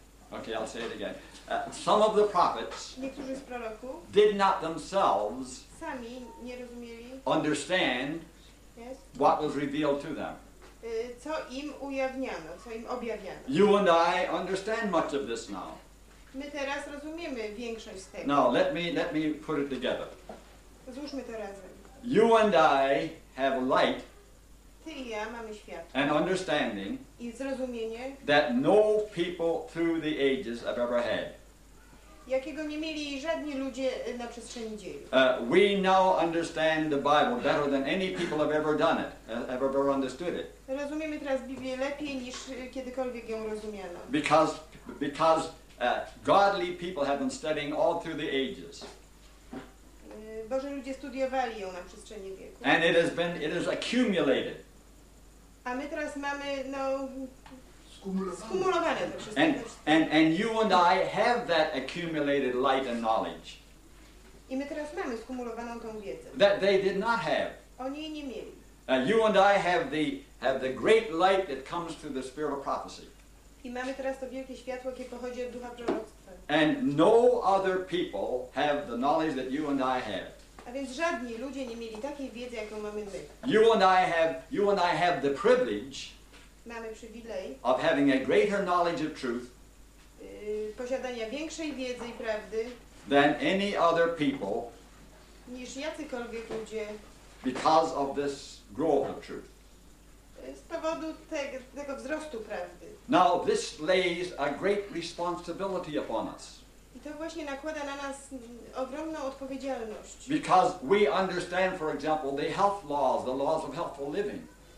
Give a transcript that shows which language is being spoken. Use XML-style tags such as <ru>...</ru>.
<en>okay, I'll say it again. Some of the prophets</en> <pl>niektórzy z proroków</pl> <en>did not themselves</en> <pl>sami nie rozumieli</pl> <en>understand yes what was revealed to them.</en> <pl>Co im ujawniano, co im objawiano.</pl> <en>You and I understand much of this now.</en> <pl>My teraz rozumiemy większość z tego.</pl> <en>Now let me put it together.</en> <pl>Złóżmy to razem.</pl> <en>You and I have light.</en> <pl>Ja</pl> <en>and understanding</en> <pl>i zrozumienie</pl> <en>that no people through the ages have ever had.</en> <pl>Jakiego nie mieli żadni ludzie na przestrzeni dziejów.</pl> <en>We now understand the Bible better than any people have ever done it, have ever understood it.</en> <pl>Rozumiemy teraz Biblię lepiej niż kiedykolwiek ją rozumiano.</pl> <en>Because godly people have been studying all through the ages.</en> <pl>Boże ludzie studiowali ją na przestrzeni wieków.</pl> <en>And it has accumulated.</en> <pl>A my teraz mamy skumulowane to wszystko.</pl> <en>And you and I have that accumulated light and knowledge.</en> <pl>I my teraz mamy skumulowaną tą wiedzę.</pl> <en>That they did not have.</en> <pl>Oni jej nie mieli.</pl> <en>You and I have the great light that comes through the spirit of prophecy.</en> <pl>I mamy teraz to wielkie światło, jakie pochodzi od ducha proroctwa.</pl> <en>And no other people have the knowledge that you and I have.</en> <pl>A więc żadni ludzie nie mieli takiej wiedzy, jaką mamy my.</pl> <en>You and I have the privilege.</en> <pl>Mamy przywilej.</pl> <en>Of having a greater knowledge of truth.</en> <pl>Posiadania większej wiedzy i prawdy.</pl> <en>Than any other people.</en> <pl>Niż jacykolwiek ludzie.</pl> <en>Because of this growth of truth.</en> <pl>Z powodu tego wzrostu prawdy.</pl> <en>Now this lays a great responsibility upon us.</en> <pl>I to właśnie nakłada na nas ogromną odpowiedzialność.</pl> <en>Because we understand, for example, the health laws, the laws of healthful living.</en>